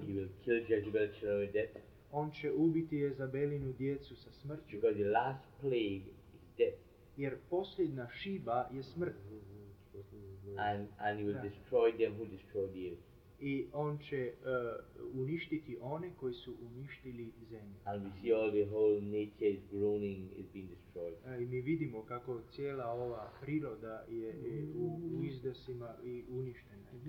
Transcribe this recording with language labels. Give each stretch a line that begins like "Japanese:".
English: He will kill Jezebel children with death.
Croatian: On će ubiti Jezabelinu djecu sa smrću.
English: Because the last plague is death.
Croatian: Jer posljedna šiba je smrt.
English: And he will destroy them who destroyed the earth.
Croatian: I on će uništiti one koji su uništili zemlju.
English: And we see all the whole nature is groaning, is being destroyed.
Croatian: I mi vidimo kako cijela ova priroda je u izdasima i uništena.